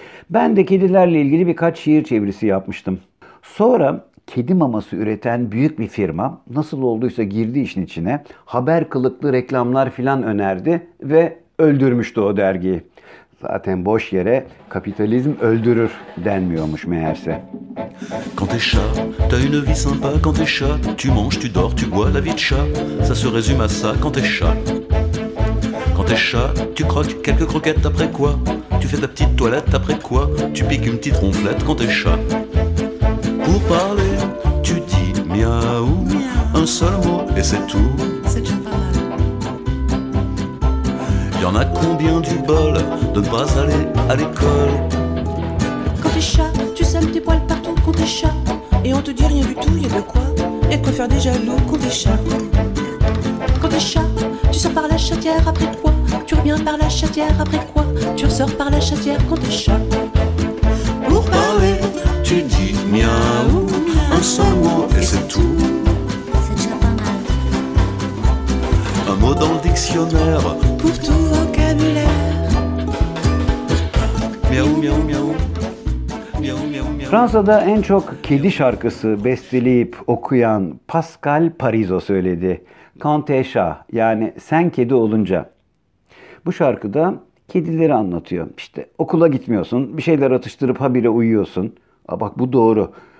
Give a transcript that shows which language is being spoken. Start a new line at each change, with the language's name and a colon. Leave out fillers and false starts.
Turkish: Ben de kedilerle ilgili birkaç şiir çevirisi yapmıştım. Sonra kedi maması üreten büyük bir firma nasıl olduysa girdi işin içine, haber kılıklı reklamlar filan önerdi ve öldürmüştü o dergiyi. Zaten boş yere kapitalizm öldürür denmiyormuş meyerse.
French: Quand t'es chat, t'as une vie sympa. Quand t'es chat, tu manges, tu dors, tu bois, la vie de chat. Ça se résume à ça quand t'es chat. Quand t'es chat, tu croques quelques croquettes après quoi. Tu fais ta petite toilette après quoi. Tu piques une petite ronflette quand t'es chat. Pour parler, tu dis miaou. Un seul mot et c'est tout. Y'en a combien du bol de ne pas aller à l'école. Quand t'es chat, tu sèmes tes poils partout quand t'es chat. Et on te dit rien du tout, y'a de quoi. Y'a de quoi faire des jaloux quand t'es chat. Quand t'es chat, tu sors par la chatière après quoi. Tu reviens par la chatière après quoi. Tu ressors par la chatière quand t'es chat. Pour parler, tu dis miaou. Un seul mot et c'est tout. Un mot dans le dictionnaire pour tout vocabulaire. Miaou, miaou, miaou.
Turkish: Fransa'da en çok kedi şarkısı besteleyip okuyan Pascal Parizo söyledi.
French: Quand t'es chat,
Turkish: yani sen kedi olunca. Bu şarkıda kedileri anlatıyor. İşte okula gitmiyorsun, bir şeyler atıştırıp habire uyuyorsun. Bak bu doğru.